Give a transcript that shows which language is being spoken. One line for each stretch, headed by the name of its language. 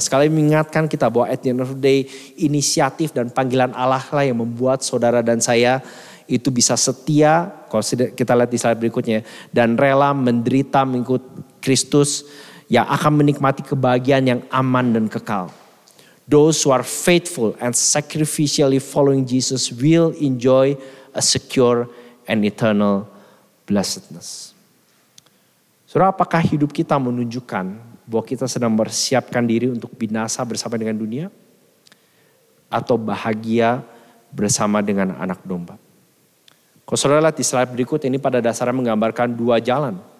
Indonesian: Sekali mengingatkan kita bahwa
English: at the end of the day,
Indonesian: inisiatif dan panggilan Allah lah yang membuat saudara dan saya itu bisa setia, kalau kita lihat di slide berikutnya, dan rela menderita mengikut Kristus yang akan menikmati kebahagiaan yang aman dan kekal.
English: Those who are faithful and sacrificially following Jesus will enjoy a secure and eternal blessedness.
Indonesian: Saudara, apakah hidup kita menunjukkan bahwa kita sedang bersiapkan diri untuk binasa bersama dengan dunia? Atau bahagia bersama dengan anak domba? Kalau saudara lihat di slide berikut, ini pada dasarnya menggambarkan 2 jalan.